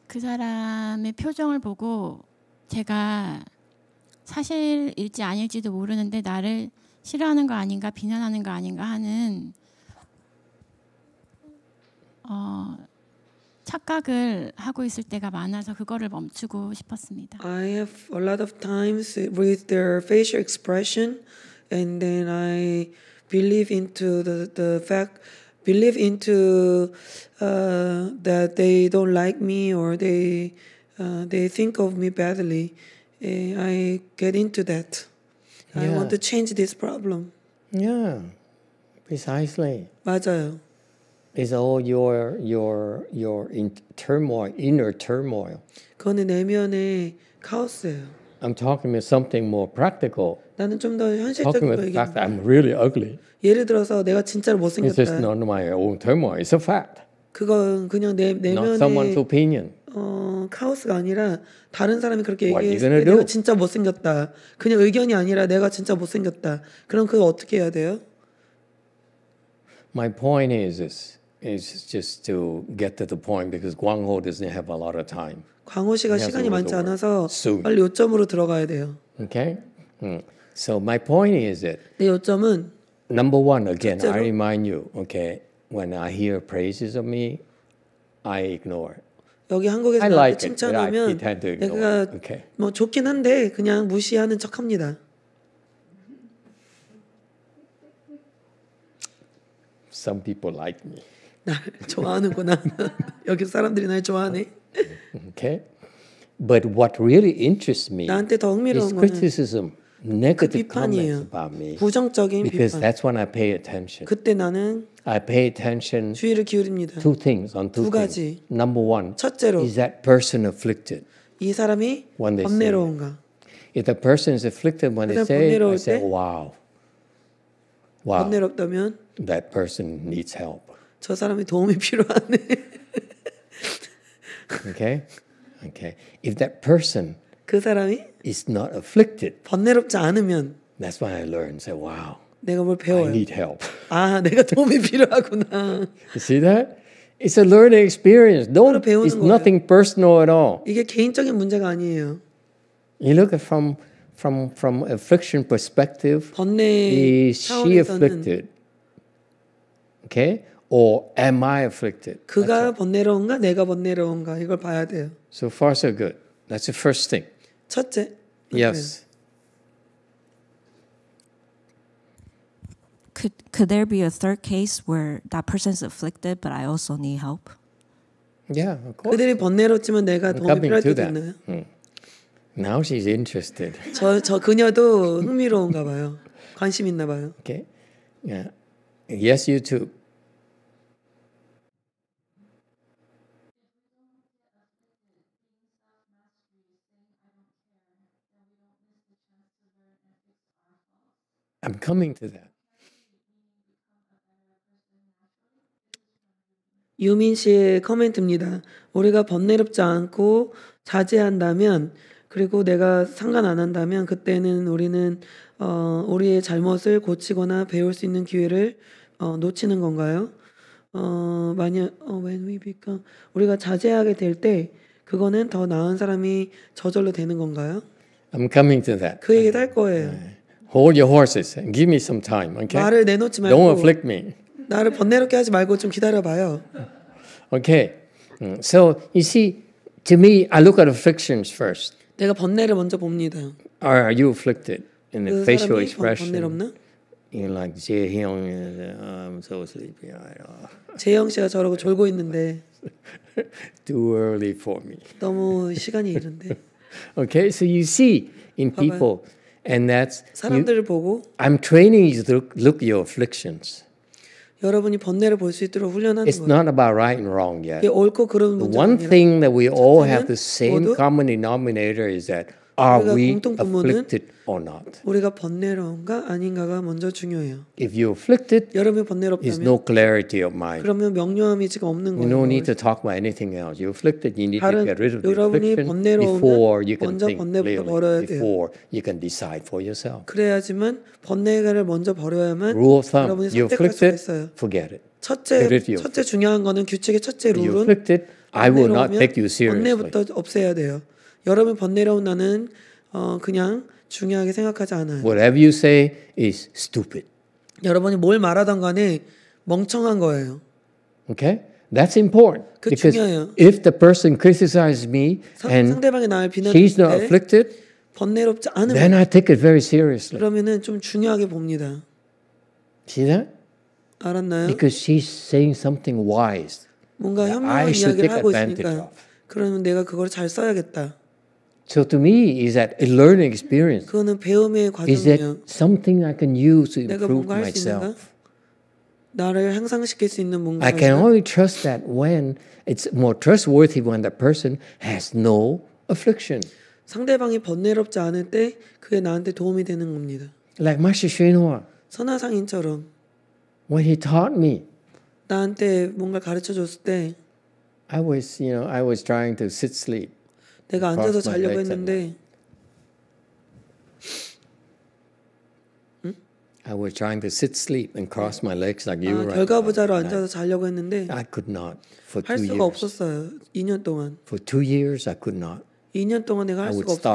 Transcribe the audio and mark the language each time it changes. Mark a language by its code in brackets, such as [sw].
[ko] 그 사람의 표정을 보고 제가 사실일지 아닐지도 모르는데 나를 싫어하는 거 아닌가 비난하는 거 아닌가 하는 착각을 하고 있을 때가 많아서 그거를 멈추고 싶었습니다. [en] I have a lot of times with their facial expression and then I believe into the fact, believe into that they don't like me or they think of me badly. I get into that. Yeah. I want to change this problem. Yeah, precisely. [ko] 맞아요. [en] It's all your turmoil, inner turmoil. [ko] 그거는 내면의 카오스예요. [en] I'm talking about something more practical. [ko] 나는 좀 더 현실적인 거예요. [en] Talking about the fact I'm really ugly. [ko] 예를 들어서 내가 진짜로 못생겼다. [en] It's just not my own turmoil. It's a fact. [ko] 그건 그냥 내면의 [en] not someone's opinion. [ko] 카오스가 아니라 다른 사람이 그렇게 얘기했을 때 내가 진짜 못생겼다. 그냥 의견이 아니라 내가 진짜 못생겼다. 그럼 그걸 어떻게 해야 돼요? [en] My point is just to get to the point because Guangho doesn't have a lot of time. [ko] 광호 씨가 시간이 많지 않아서 빨리 요점으로 들어가야 돼요. [en] Okay. So my point is that. [ko] 내 요점은 [en] number one again. [ko] 첫째로, [en] I remind you. Okay. When I hear praises of me, I ignore. [ko] 여기 한국에서 [en] like [ko] 칭찬하면 [en] it, ignore, [ko] 내가 [en] okay. [ko] 뭐 좋긴 한데 그냥 무시하는 척합니다. [en] Some people like me. [ko] 날 좋아하는구나. 여기 사람들이 날 좋아하네. [en] Okay. But what really interests me [ko] 나한테 더 흥미로운 [en] is criticism, negative [ko] 그 비판이에요. [en] Comments about me. [ko] 부정적인 [en] because [ko] 비판. [en] That's when I pay attention. [ko] 그때 나는 [en] I pay attention [ko] 주의를 기울입니다. [en] Two things on two [ko] 두 가지. [en] Things. Number one, [ko] 첫째로, [en] is that person afflicted? [ko] 이 사람이 번뇌로운가? [en] If the person is afflicted when they say, I say, wow. [ko] 번뇌롭다면 [en] that person needs help. [ko] 저 사람이 도움이 필요하네. [en] Okay. If that person [ko] 그 사람이 [en] is not afflicted, [ko] 번뇌롭지 않으면 [en] that's when I learn. Say, wow. [ko] 내가 뭘 배워요. [en] I need help. [ko] 아, 내가 도움이 필요하구나. [en] You see that? It's a learning experience. Don't. It's [ko] 거예요. [en] Nothing personal at all. [ko] 이게 개인적인 문제가 아니에요. [en] You look at from affliction perspective. [ko] 번뇌 [en] is she afflicted? Okay? Or am I afflicted? [ko] 그가 [en] right. [ko] 번뇌로운가 내가 번뇌로운가 이걸 봐야 돼요. [en] So far so good. That's the first thing. [ko] 첫째. [en] Yes. Could there be a third case where that person is afflicted but I also need help? Yeah, of course. [ko] 그들이 번뇌롭지만 내가 [en] I'm [ko] 도움이 필요할 때도 있나요? [en] Now she's interested. [ko] 저 그녀도 흥미로운가 봐요. 관심 있나 봐요. [en] Okay. Yeah. Yes, you too. I'm coming to that. [ko] 유민 씨의 코멘트입니다. 우리가 번뇌롭지 않고 자제한다면 그리고 내가 상관 안 한다면 그때는 우리는 우리의 잘못을 고치거나 배울 수 있는 기회를 놓치는 건가요? 만약 [en] when we become [ko] 우리가 자제하게 될 때 그거는 더 나은 사람이 저절로 되는 건가요? [en] I'm coming to that. [ko] 그 얘기 할 거예요. [en] Hold your horses and give me some time, okay? [ko] 말을 내놓지 말고. [en] Don't afflict me. [ko] 나를 번뇌롭게 하지 말고 좀 기다려봐요. [en] Okay. So you see, to me, I look at afflictions first. [ko] 내가 번뇌를 먼저 봅니다. [en] Are you afflicted in the [ko] 그 [en] facial expression? [ko] 번뇌롭나? [en] You're like Jaehyung. I'm so sleepy. [ko] 재형 씨가 저러고 졸고 있는데. [en] Too early for me. [ko] 너무 시간이 이른데. [en] Okay. So you see in people. [ko] 봐봐요. [en] And that's [ko] 사람들을 [en] you, [ko] 보고 [en] I'm training you to look your afflictions. [ko] 여러분이 번뇌를 볼 수 있도록 훈련하는 [en] It's [ko] 거예요. [en] Not about right and wrong yet. [ko] 이게 옳고 그름 문제가 아니라 [en] One thing that we all have the same common denominator is that are we afflicted or not? [ko] 우리가 번뇌로운가 아닌가가 먼저 중요해요. [en] If you're afflicted, [ko] 여러분이 번뇌롭다면 [en] is no clarity of mind. [ko] 그러면 명료함이 지금 없는 거예요. [en] You don't need to talk about anything else. You're afflicted, you need to get rid of the affliction before you can think clearly. Before [ko] 돼요. [en] You can decide for yourself. [ko] 그래야지만 번뇌를 먼저 버려야만 [en] rule of thumb. You're afflicted, [ko] 수 있어요. [en] Forget it. [ko] 첫째 [en] get rid of [ko] 첫째 중요한 거는 규칙의 첫째 룰은 [en] you're afflicted, I will not take you seriously. [ko] 번뇌부터 없애야 돼요. 여러분 번뇌로운 나는 그냥 중요하게 생각하지 않아요. [en] Whatever you say is stupid. [ko] 여러분이 뭘 말하던 간에 멍청한 거예요. [en] Okay? That's important. [ko] 그 중요해요. [en] If the person criticizes me and [ko] 상대방이 나를 비난할 때 [en] she's not afflicted, [ko] 번뇌롭지 않은 [en] Then I take it very seriously. [ko] 그러면은 좀 중요하게 봅니다. [en] See that? [ko] 알았나요? [en] Because she's saying something wise. [ko] 뭔가 현명한 이야기를 하고 있으니까 그러면 내가 그걸 잘 써야겠다. [en] So to me, is that a learning experience? [ko] 그거는 배움의 과정이에요. [en] Is that something I can use to improve myself? [ko] 나를 향상시킬 수 있는 뭔가. [en] I can only trust that when it's more trustworthy when that person has no affliction. [ko] 상대방이 번뇌롭지 않을 때 그게 나한테 도움이 되는 겁니다. [en] Like Master Xuanhua. [ko] 선화상인처럼. [en] When he taught me. [ko] 나한테 뭔가 가르쳐 줬을 때. [en] I was, you know, I was trying to sit sleep. [ko] 내가 앉아서 자려고 했는데. [en] I was trying to sit sleep and cross my legs like you right now. [ko] 결과부자로 앉아서 자려고 했는데. [en] I could not for 2 years. [ko] 할 수가 없었어요. 2년 동안. [en] For 2 years, I could not. [ko] 2년 동안 내가 할 수가 없었어요.